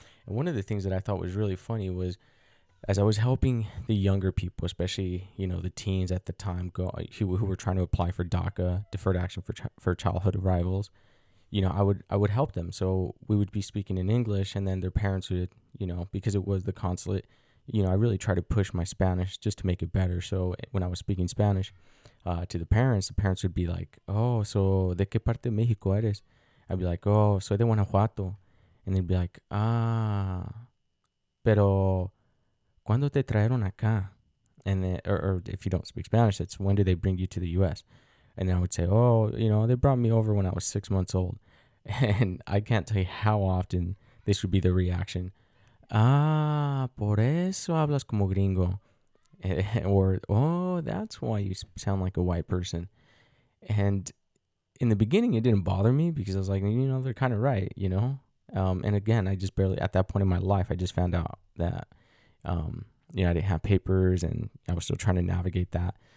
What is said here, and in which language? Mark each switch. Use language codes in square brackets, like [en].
[en] And one of the things that I thought was really funny was as I was helping the younger people, especially, you know, the teens at the time who were trying to apply for DACA, Deferred Action for Childhood Arrivals, you know, I would help them. So we would be speaking in English and then their parents would, you know, because it was the consulate, you know, I really try to push my Spanish just to make it better. So when I was speaking Spanish to the parents would be like, oh, so [es] de qué parte de México eres? [en] I'd be like, oh, [es] soy de Guanajuato. [en] And they'd be like, ah, [es] pero ¿cuándo te trajeron acá? [en] And then, or if you don't speak Spanish, it's when did they bring you to the U.S.? And then I would say, oh, you know, they brought me over when I was 6 months old. And I can't tell you how often this would be the reaction. [es] Ah, por eso hablas como gringo. [en] Or, oh, that's why you sound like a white person. And in the beginning, it didn't bother me because I was like, you know, they're kind of right, you know? And again, I just barely, at that point in my life, I just found out that, you know, I didn't have papers and I was still trying to navigate that.